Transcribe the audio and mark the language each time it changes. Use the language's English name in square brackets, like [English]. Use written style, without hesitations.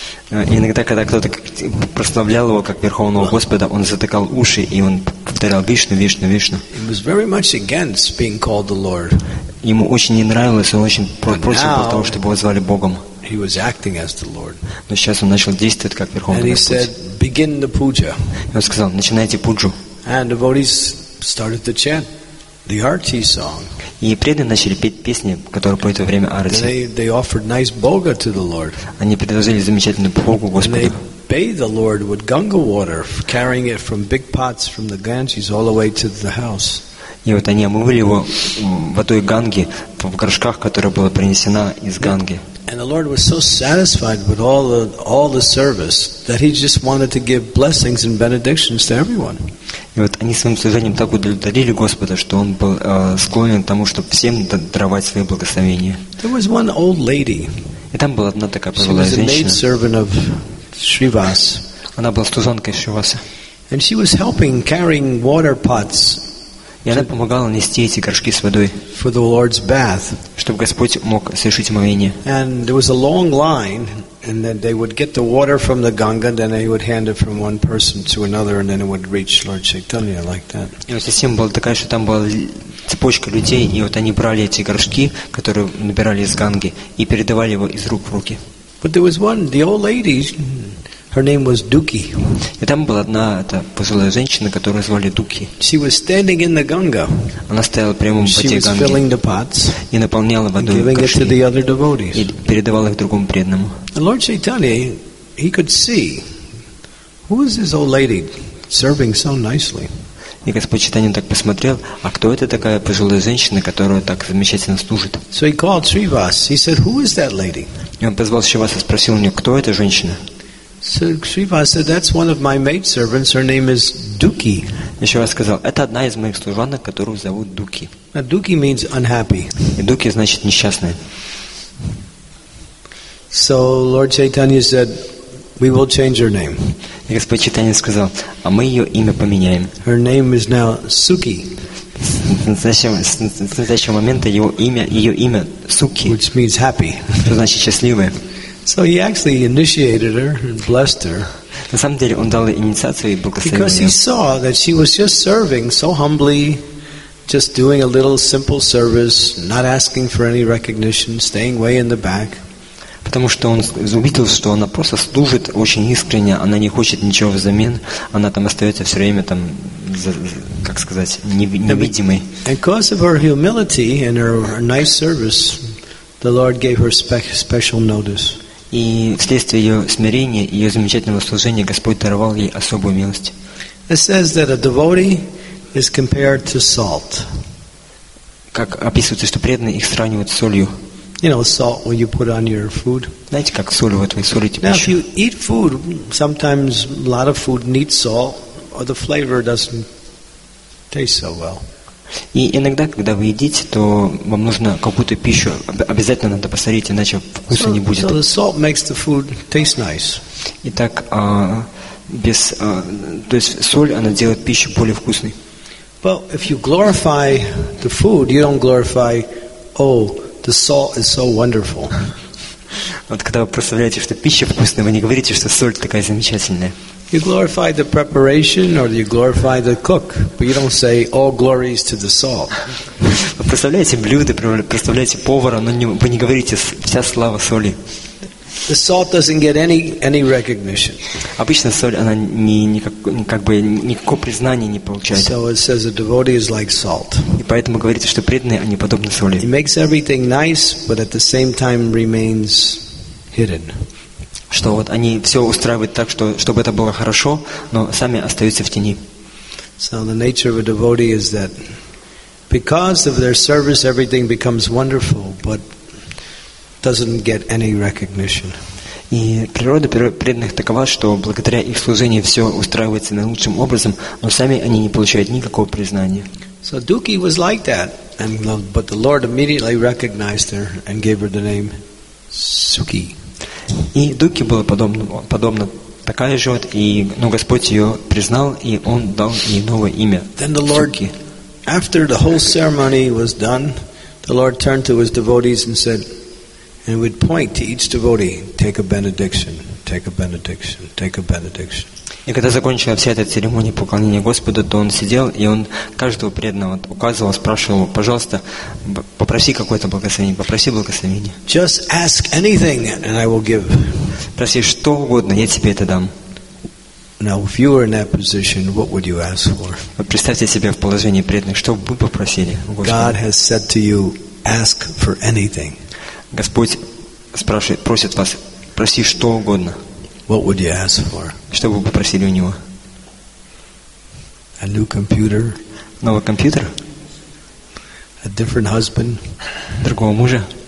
[Russian] И иногда, когда кто-то прославлял его как Верховного Господа, он затыкал уши и он повторял Вишну, Вишну, Вишну. [English] He was very much against being called the Lord. [Russian] Ему очень не нравилось, он очень просил про того, чтобы его звали Богом. [English] He was acting as the Lord. [Russian] Но сейчас он начал действовать как Верховный Господь. [English] And he said, "Begin the puja." [Russian] И он сказал: "Начинайте пуджу." [English] And the devotees started to chant the arti song. [Russian] И преданные начали петь песни, которые поют во время арати. [English] They offered nice boga to the Lord. [Russian] Они предложили замечательную богу Господу. [English] They bathed the Lord with Ganga water, carrying it from big pots from the Ganges all the way to the house. [Russian] И вот они омывали его водой Ганги в горшках, которая была принесена из Ганги. [English] And the Lord was so satisfied with all the service that he just wanted to give blessings and benedictions to everyone. [Russian] И вот они своим служением так удовлетворили Господа, что он был склонен к тому, чтобы всем даровать свои благословения. [English] There was one old lady. [Russian] И там была одна такая пожилая женщина. [English] She was a maidservant of Srivas. [Russian] Она была служанкой Шриваса. [English] And she was helping carrying water pots. [Russian] И она помогала нести эти горшки с водой, [English] for the Lord's bath. [Russian] Чтобы Господь мог совершить омовение. [English] And there was a long line, and then they would get the water from the Ganga, then they would hand it from one person to another, and then it would reach Lord Chaitanya like that. [Russian] И вот система была такая, что там была цепочка людей, и вот они брали эти горшки, которые набирали из Ганги, и передавали его из рук в руки. [English] But there was one, the old lady, her name was Duki. [Russian] И там была одна эта пожилая женщина, которую звали Дуки. [English] She was standing in the Ганга. [Russian] Она стояла прямо в воде Ганги. [English] She was filling the pots. [Russian] И наполняла водой горшки. [English] Giving it to the other devotees. [Russian] И передавала их другому преданному. [English] And Lord Chaitanya, he could see, who is this old lady serving so nicely? [Russian] И Господь Чайтанья так посмотрел, а кто это такая пожилая женщина, которая так замечательно служит? [English] So he called Srivas. He said, who is that lady? [Russian] И он позвал Шриваса, спросил у него, кто эта женщина? [English] So Shiva said, "That's one of my maid servants. Her name is Duki." [Russian] Shiva сказал, "Это одна из моих служанок, которую зовут Дуки." [English] Now Duki means unhappy. [Russian] И Дуки значит несчастная. [English] So Lord Chaitanya said, "We will change her name." [Russian] И Господь Чайтанья сказал, "А мы ее имя поменяем." [English] Her name is now Suki. [Russian] С настоящего момента ее имя Suki. [English] Which means happy. [Russian] Что значит счастливая. [English] So he actually initiated her and blessed her. [Russian] На самом деле он дал инициацию и благословил ее. [English] Because he saw that she was just serving so humbly, just doing a little simple service, not asking for any recognition, staying way in the back. [Russian] Потому что он увидел, что она просто служит очень искренне, она не хочет ничего взамен, она там остается все время там, как сказать, невидимой. [English] And because of her humility and her nice service, the Lord gave her special notice. [Russian] И вследствие ее смирения и ее замечательного служения Господь даровал ей особую милость. [English] It says that a devotee is compared to salt. [Russian] Как описывается, что преданные их сравнивают с солью. [English] You know, salt when you put on your food. [Russian] Знаете, как соль вот вы солите. [English] Now, if you eat food, sometimes a lot of food needs salt, or the flavor doesn't taste so well. [Russian] И иногда, когда вы едите, то вам нужно какую-то пищу обязательно надо посолить, иначе вкуса не будет. [English] So the salt makes the food taste nice. [Russian] Итак, без, то есть соль она делает пищу более вкусной. [English] Well, if you glorify the food, you don't glorify, oh, the salt is so wonderful. [Russian] Вот когда вы прославляете, что пища вкусная, вы не говорите, что соль такая замечательная. [English] You glorify the preparation or you glorify the cook, but you don't say all glories to the salt. [Russian] Вы представляете блюдо, представляете повара, но вы не говорите вся слава соли. [English] The salt doesn't get any recognition. [Russian] Обычно соль она никакого признания не получает. [English] So it says a devotee is like salt. [Russian] И поэтому говорите, что преданные они подобны соли. [English] It makes everything nice, but at the same time remains hidden. [Russian] Что вот они все устраивают так, что, чтобы это было хорошо, но сами остаются в тени. [English] So the nature of a devotee is that because of their service everything becomes wonderful, but doesn't get any recognition. [Russian] И природа преданных такова, что благодаря их служению все устраивается наилучшим образом, но сами они не получают никакого признания. [English] So Duki was like that, but the Lord immediately recognized her and gave her the name Suki. [Russian] И Дуки была подобна такая же, но Господь ее признал, и Он дал ей новое имя. [English] Then the Lord, after the whole ceremony was done, the Lord turned to his devotees and said, and would point to each devotee, take a benediction, take a benediction, take a benediction. [Russian] И когда закончила вся эта церемония поклонения Господу, то он сидел, и он каждого преданного указывал, спрашивал, пожалуйста, попроси какое-то благословение, попроси благословение. [English] Just ask anything, and I will give. [Russian] Проси что угодно, я тебе это дам. [English] Now, if you were in that position, what would you ask for? [Russian] Представьте себя в положении преданных, что бы вы попросили у Господа? [English] God has said to you, ask for anything. [Russian] Господь спрашивает, просит вас, проси что угодно. [English] What would you ask for? [Russian] Что бы вы попросили у него? [English] A new computer? [Russian] Новый компьютер? [English] a different husband, [Russian] другого мужа,